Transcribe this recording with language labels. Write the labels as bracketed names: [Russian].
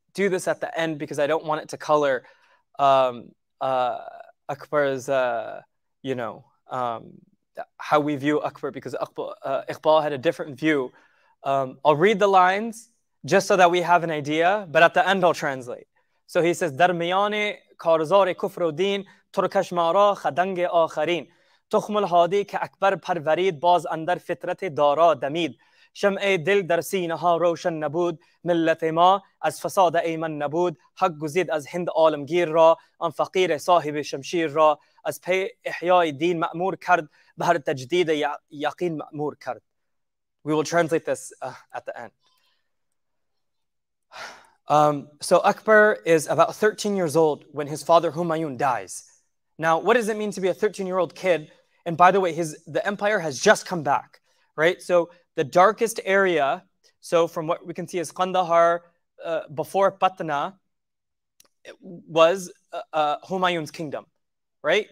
[English] do this at the end because I don't want it to color Akbar's, you know, how we view Akbar, because Iqbal had a different view. I'll read the lines just so that we have an idea, but at the end I'll translate. So he says, [Persian] درمیان کارزار کفر و دین ترکش مارا خدنگ آخرین تخم الهادی که اکبر پرورید باز اندر فطرت دارا دمید شمع دل در سینه ها روشن نبود ملت ما از فساد ایمن نبود حق گزید از هند عالمگیر را آن فقیر صاحب شمشیر را از پی احیای دین مأمور کرد به هر تجدید یقین مأمور کرد. [English] We will translate this at the end. So Akbar is about 13 years old when his father Humayun dies. Now, what does it mean to be a 13-year-old kid? And by the way, the empire has just come back, right? So the darkest area, so from what we can see is Kandahar before Patna, was Humayun's kingdom, right?